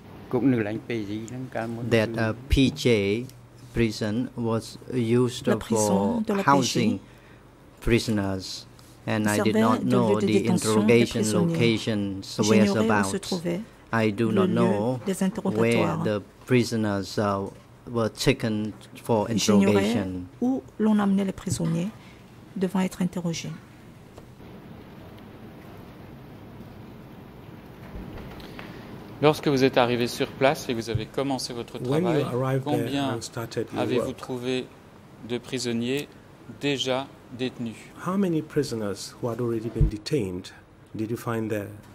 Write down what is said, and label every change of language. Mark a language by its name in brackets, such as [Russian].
[English] that a PJ prison was used for housing prisoners, and I did not know the interrogation location whereabouts. I do not know where the prisoners were taken for interrogation. [French] Où l'on amenait les prisonniers devant être interrogés. Lorsque vous êtes arrivé sur place et que vous avez commencé votre travail, combien avez-vous trouvé de prisonniers déjà détenus? [English] How many prisoners who had already been detained did you find there?